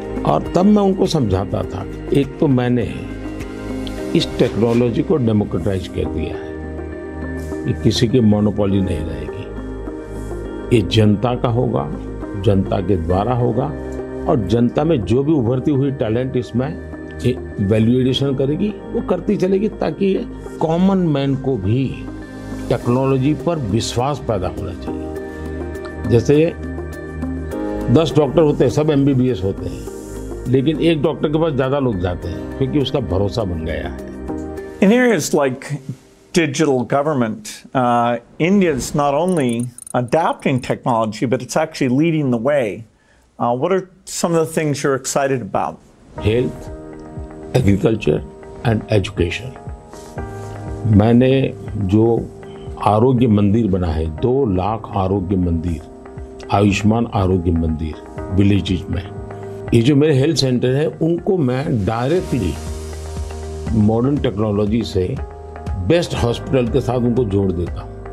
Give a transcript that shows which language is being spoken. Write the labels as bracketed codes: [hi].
[hi] और तब मैं उनको समझाता था, एक तो मैंने इस टेक्नोलॉजी को डेमोक्रेटाइज कर दिया है, ये किसी की मोनोपोली नहीं रहेगी, ये जनता का होगा, जनता के द्वारा होगा, और जनता में जो भी उभरती हुई टैलेंट इसमें वैल्यूएडेशन करेगी, वो करती चलेगी, ताकि कॉमन मैन को भी टेक्नोलॉजी पर विश्वास पैदा होना चाहिए. जैसे 10 डॉक्टर होते हैं, सब MBBS होते हैं, लेकिन एक डॉक्टर के पास ज्यादा लोग जाते हैं क्योंकि उसका भरोसा बन गया है. [en] In areas like digital government, India is not only adapting technology, but it's actually leading the way. What are some of the things you're excited about? Health, agriculture and education. [hi] मैंने जो आरोग्य मंदिर बना है, 2 लाख आरोग्य मंदिर, आयुष्मान आरोग्य मंदिर विलेजेज में, ये जो मेरे हेल्थ सेंटर है उनको मैं डायरेक्टली मॉडर्न टेक्नोलॉजी से बेस्ट हॉस्पिटल के साथ उनको जोड़ देता हूँ.